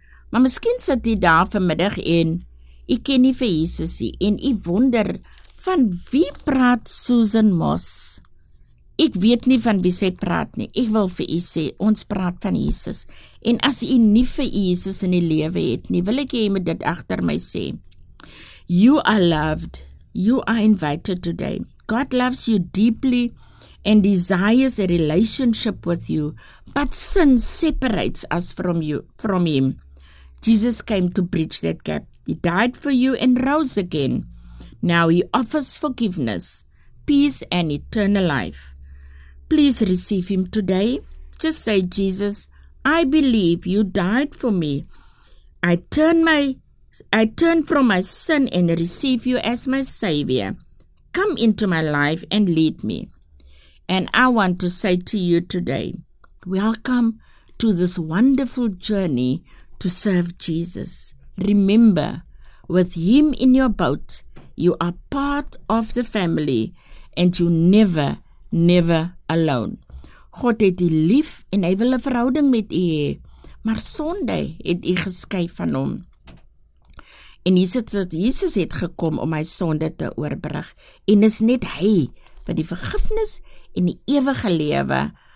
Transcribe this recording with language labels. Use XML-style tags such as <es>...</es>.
<af>Maar miskien sit jy daar vanmiddag en jy ken nie vir Jesus nie en jy wonder van wie praat Susan Moss? Ek weet nie van wie sy praat nie. Ek wil vir jy sê, ons praat van Jesus. En as jy nie vir Jesus in die lewe het nie, wil ek jy met dit agter my sê.</af> <en>You are loved. You are invited today. God loves you deeply and desires a relationship with you, but sin separates us from him. Jesus came to bridge that gap. He died for you and rose again. Now he offers forgiveness, peace and eternal life. Please receive him today. Just say, Jesus, I believe you died for me. I turn from my sin and receive you as my Savior. Come into my life and lead me. And I want to say to you today, welcome to this wonderful journey to serve Jesus. Remember, with him in your boat, you are part of the family and you never, never alone.</en> <af>God het u lief en hy wil 'n verhouding met u hê, maar sonde het u geskei van hom. En Jesus het gekom om my sonde te oorbrug en is net hy wat die vergifnis en die ewige lewe</af>